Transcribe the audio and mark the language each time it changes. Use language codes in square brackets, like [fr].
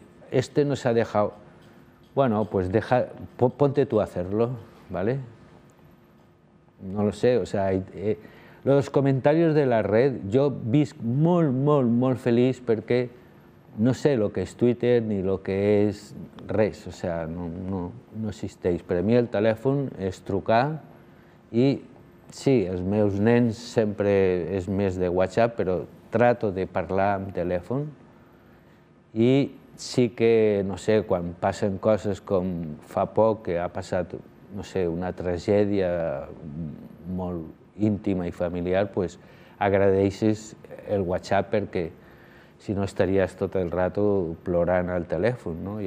[es] este [ca] no s'ha deixat... [es] Bueno, pues deja... Ponte tú a hacerlo, ¿vale? No lo sé, o sea... los comentarios de la red, yo [ca] visc molt feliç perquè... [es] No sé lo que es Twitter ni lo que es res, o sea, [ca] no existeix. Per a mi el telèfon és trucar i sí, els meus nens sempre és més de WhatsApp, però [es] trato de [ca] parlar amb telèfon i sí que, no sé, quan passen coses com fa poc que ha passat, no sé, una tragèdia molt íntima i familiar, pues agraeixes el WhatsApp perquè si no estaries tot el rato plorant al telèfon, no?